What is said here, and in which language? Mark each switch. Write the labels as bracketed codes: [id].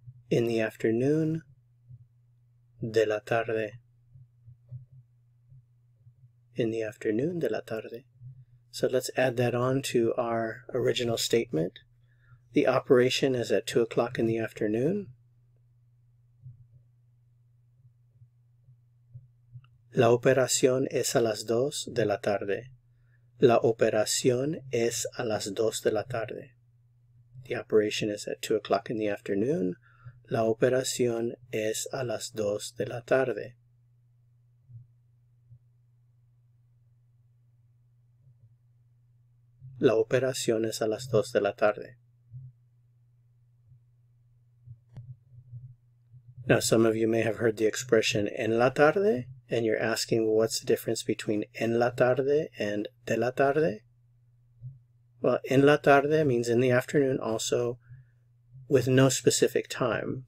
[en] In the afternoon. [es] De la tarde. [en] In the afternoon, [es] de la tarde. [en] So let's add that on to our original statement. The operation is at 2 o'clock in the afternoon. [es] La operación es a las dos de la tarde. La operación es a las dos de la tarde. [en] The operation is at 2:00 in the afternoon. [es] La operación es a las 2 de la tarde. La operación es a las 2 de la tarde. [en] Now, some of you may have heard the expression en la tarde, and you're asking, well, what's the difference between en la tarde and de la tarde? Well, en la tarde means in the afternoon, also with no specific time.